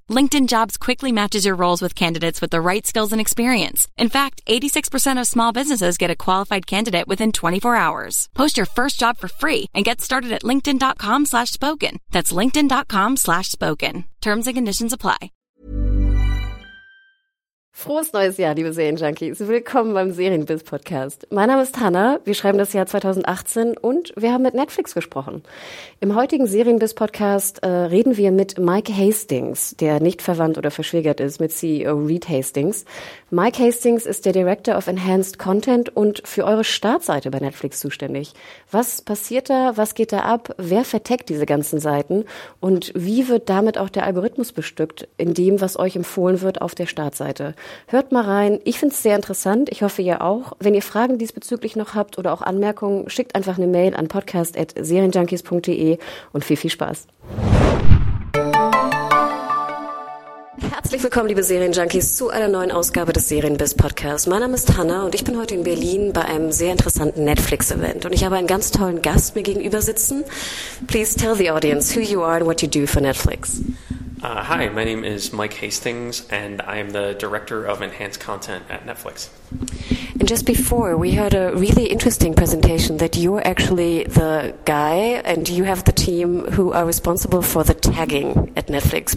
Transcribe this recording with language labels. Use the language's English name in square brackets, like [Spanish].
[English] LinkedIn Jobs quickly matches your roles with candidates with the right skills and experience. In fact, 86% of small businesses get a qualified candidate within 24 hours. Post your first job for free and get started at linkedin.com/spoken. That's linkedin.com/spoken. Terms and conditions apply. [German] Frohes neues Jahr, liebe Serienjunkies. Willkommen beim Serienbiz-Podcast. Mein Name ist Hannah, wir schreiben das Jahr 2018 und wir haben mit Netflix gesprochen. Im heutigen Serienbiz-Podcast reden wir mit Mike Hastings, der nicht verwandt oder verschwägert ist mit CEO Reed Hastings. Mike Hastings ist der Director of Enhanced Content und für eure Startseite bei Netflix zuständig. Was passiert da, was geht da ab, wer verteckt diese ganzen Seiten und wie wird damit auch der Algorithmus bestückt in dem, was euch empfohlen wird auf der Startseite? Hört mal rein. Ich finde es sehr interessant. Ich hoffe, ihr auch. Wenn ihr Fragen diesbezüglich noch habt oder auch Anmerkungen, schickt einfach eine Mail an podcast@serienjunkies.de und viel Spaß. Herzlich willkommen, liebe Serienjunkies, zu einer neuen Ausgabe des Serienbiz-Podcasts. Mein Name ist Hannah und ich bin heute in Berlin bei einem sehr interessanten Netflix-Event. Und ich habe einen ganz tollen Gast mir gegenüber sitzen. [English] Please tell the audience who you are and what you do for Netflix. Hi, my name is Mike Hastings, and I am the Director of Enhanced Content at Netflix. And just before, we heard a really interesting presentation that you're actually the guy, and you have the team who are responsible for the tagging at Netflix.